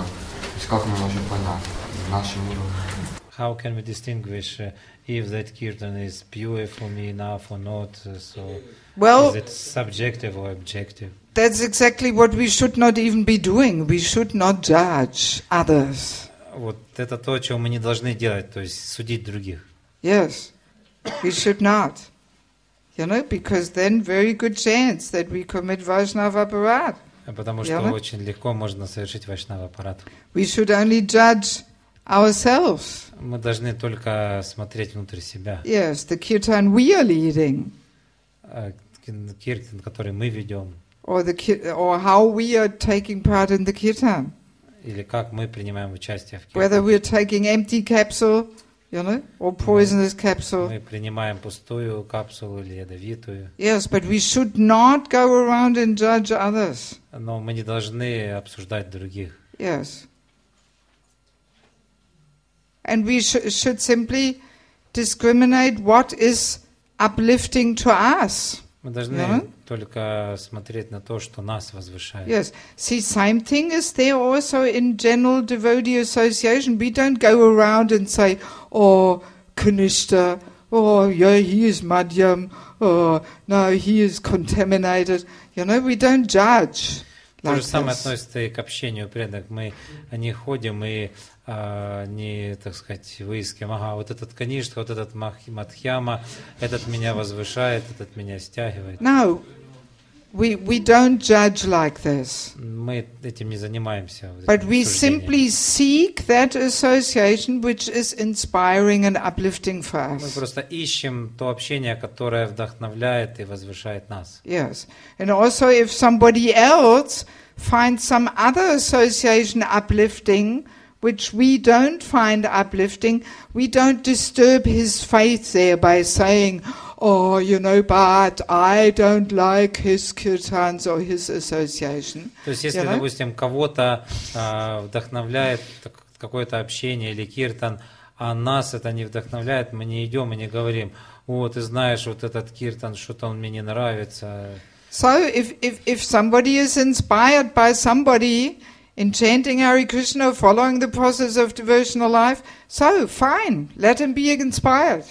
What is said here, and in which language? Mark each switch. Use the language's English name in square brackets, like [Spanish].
[Russian] То есть, как мы можем понять в нашем уровне? [English] How can we distinguish if that kirtan is pure for me enough or not? So, well, is it subjective or objective? That's exactly what we should not even be doing. We should not judge others. [Russian] Вот это то, чего мы не должны делать, то есть судить других. [English] Yes, we should not. You know, because then very good chance that we commit Vaishnava Aparad. [Russian] Потому что очень легко можно совершить Vaishnava Aparad. [English] We should only judge ourselves. [Russian] Мы должны только смотреть внутрь себя. [English] Yes, the kirtan we are leading. [Russian] Kirtan, который мы ведем. [English] Or how we are taking part in the kirtan. [Russian] Или как мы принимаем участие в киртане. [English] Whether we are taking empty capsule, you know, or poisonous capsule. [Russian] Мы принимаем пустую капсулу или ядовитую. [English] Yes, but we should not go around and judge others. [Russian] Но мы не должны обсуждать других. [English] Yes. And we should simply discriminate what is uplifting to us. [Russian] Мы должны только смотреть на то, что нас возвышает. [English] Yes. See, same thing is there also in general devotee association. We don't go around and say, oh, Kanishta, oh, yeah, he is Madhyam, oh, no, he is contaminated. You know, we don't judge. [Russian] То же самое относится и к общению преданных. Мы не ходим и не, так сказать, выискиваем, ага, вот этот Каништа, вот этот Мадхьяма, этот меня возвышает, этот меня стягивает. [English] No, we don't judge like this. [Russian] Мы этим не занимаемся. [English] But we simply seek that association which is inspiring and uplifting for us. [Russian] Мы просто ищем то общение, которое вдохновляет и возвышает нас. [English] Yes. And also if somebody else finds some other association uplifting, which we don't find uplifting, we don't disturb his faith there by saying, oh, you know, but I don't like his kirtans or his association. [Russian] То есть, если, допустим, кого-то вдохновляет какое-то общение или киртан, а нас это не вдохновляет, мы не идем и не говорим, о, ты знаешь, вот этот киртан, что-то он мне не нравится. [English] So, if somebody is inspired by somebody in chanting Hare Krishna, following the process of devotional life, so fine, let him be inspired.